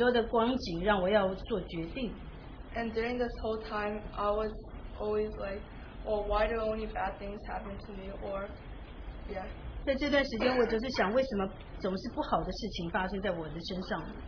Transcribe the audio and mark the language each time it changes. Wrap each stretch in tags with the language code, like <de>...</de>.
<zh>当我在高中的时候遇到了许多的困难，还有主给我许多的光景，让我要做决定。</zh> <en>And during this whole time, I was always like, "Well, why do only bad things happen to me?" Or, yeah.</en> <zh>在这段时间，我就是想，为什么总是不好的事情发生在我的身上？</zh>